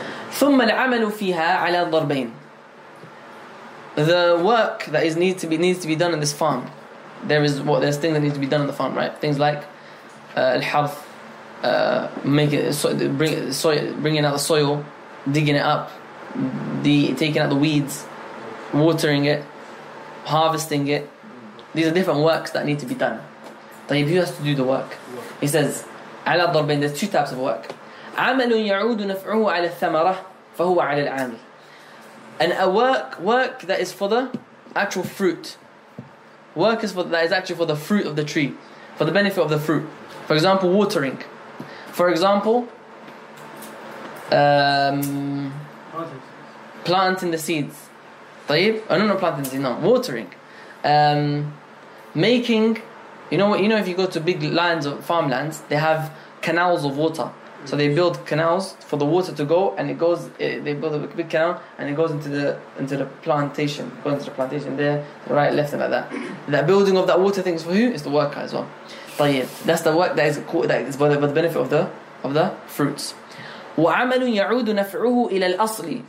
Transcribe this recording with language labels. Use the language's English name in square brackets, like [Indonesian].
[Arabic] ثم العمل فيها على الضربين. [English] The work that needs to be done in this farm. There's things that need to be done in the farm, right? Things like al-harth, bringing out the soil, digging it up, taking out the weeds, watering it, harvesting it. These are different works that need to be done. طيب, who has to do the work? He says, [Arabic] على الضربين, [English] there's two types of work. [Arabic] عمل يعود نفعه على الثمرة فهو على العامل. [English] And a work that is for the actual fruit. Work is actually for the fruit of the tree, for the benefit of the fruit. For example, watering. For example, planting the seeds. طيب? Oh, no, not planting the seeds, no. Watering. Making, you know, if you go to big lands of farmlands, they have canals of water. So they build canals for the water to go, and it goes. They build a big canal, and it goes into the plantation there, to the right, left, and like that. That building of that water thing is for who? It's the worker as well. طيب, that's the work that is called, that is for the benefit of the fruits. [Arabic] وعمل يعود نفعه إلى الأصل.